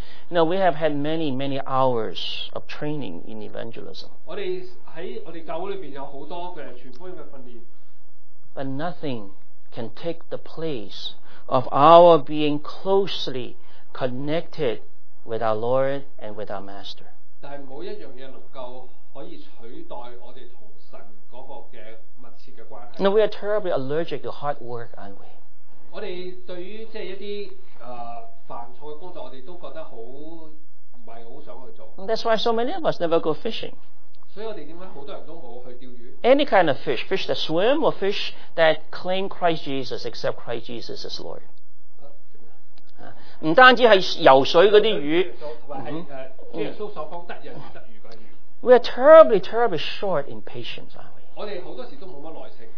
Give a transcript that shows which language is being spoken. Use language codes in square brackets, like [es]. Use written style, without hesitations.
[en] Now, we have had many, many hours of training in evangelism. But nothing can take the place. Of our being closely connected with our Lord and with our Master. [zh] 但是没有一样东西能够可以取代我们同神那个的密切的关系。 [en] Now we are terribly allergic to hard work, aren't we? [zh] 我们对于即是一些繁重的工作，我们都觉得好不是很想去做。 [en] That's why so many of us never go fishing. [zh] 所以我们为什么很多人都没有去钓鱼？ [en] Any kind of fish, fish that swim or fish that claim Christ Jesus, accept Christ Jesus as Lord. [zh] 不单止是游水那些鱼，主耶稣所讲得人得鱼的鱼。 [en] We are terribly, terribly short in patience, aren't we? [zh] 我们很多时候都没什么耐性。